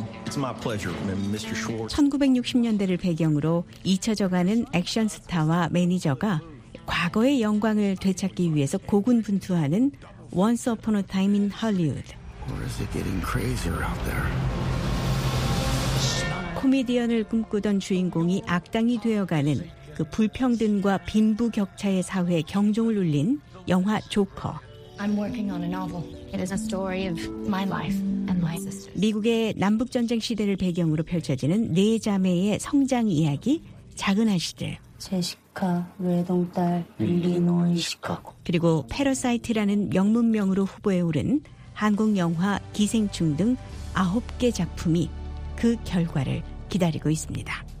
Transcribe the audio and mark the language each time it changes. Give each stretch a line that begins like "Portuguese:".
Korean: 1960년대를 배경으로 잊혀져가는 액션 스타와 매니저가 과거의 영광을 되찾기 위해서 고군분투하는 Once Upon a Time in Hollywood.
English: Or is it getting crazier out there?
Korean: 코미디언을 꿈꾸던 주인공이 악당이 되어가는 그 불평등과 빈부 격차의 사회에 경종을 울린 영화 조커.
English: I'm working on a novel. It is a story of my life and my sister.
Korean: 미국의 남북 전쟁 시대를 배경으로 펼쳐지는 네 자매의 성장 이야기 작은 아시들. 제시카, 외동딸, 일리노이 시카고. 그리고 패러사이트라는 명문명으로 후보에 오른 한국 영화 기생충 등 아홉 개 작품이 그 결과를 기다리고 있습니다.